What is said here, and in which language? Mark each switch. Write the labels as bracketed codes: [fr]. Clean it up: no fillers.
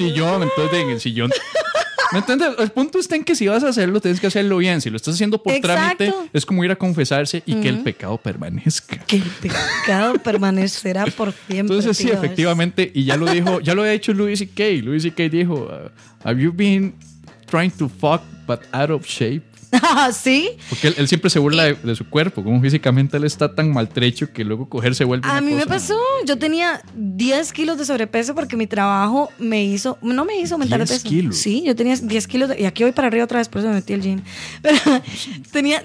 [es] Hay un sillón, entonces en el sillón. ¿Me entiendes? El punto está en que si vas a hacerlo, tienes que hacerlo bien. Si lo estás haciendo por exacto. trámite, es como ir a confesarse y que el pecado permanezca. Que el pecado permanecerá por siempre. Entonces, sí, Dios. Efectivamente. Y ya lo dijo, ya lo ha hecho Louis C.K. Louis C.K. dijo: [en] Have you been trying to fuck but out of shape? [es] ¿Sí? Porque él siempre se burla de su cuerpo. Como físicamente él está tan maltrecho que luego coger se vuelve a mí cosa. Me pasó. Yo tenía 10 kilos de sobrepeso porque mi trabajo me hizo. No me hizo aumentar de peso. 10 kilos. Sí, yo tenía 10 kilos. Y aquí voy para arriba otra vez, por eso me metí el gym. Pero tenía 10